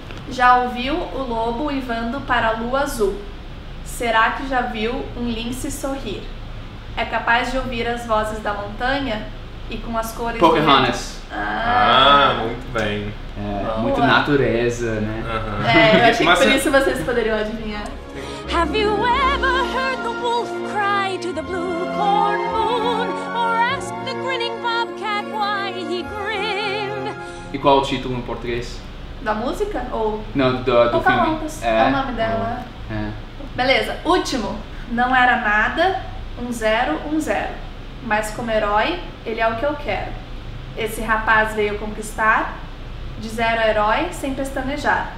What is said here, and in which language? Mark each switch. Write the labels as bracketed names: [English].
[Portuguese] Já ouviu o lobo uivando para a lua azul? Será que já viu um lince sorrir? É capaz de ouvir as vozes da montanha e com as cores... Pocahontas. Muito bem. É, muito natureza, né? Eu achei que por isso vocês poderiam adivinhar. [English] Have you ever heard the wolf cry to the blue corn moon? Or ask the grinning bobcat why he grinned? [Portuguese] E qual é o título em português? Da música? Ou... Não, do filme. Pocahontas, é o nome dela. Beleza, último. Não era nada, um zero, um zero. Mas como herói, ele é o que eu quero. Esse rapaz veio conquistar, de zero a herói, sem pestanejar.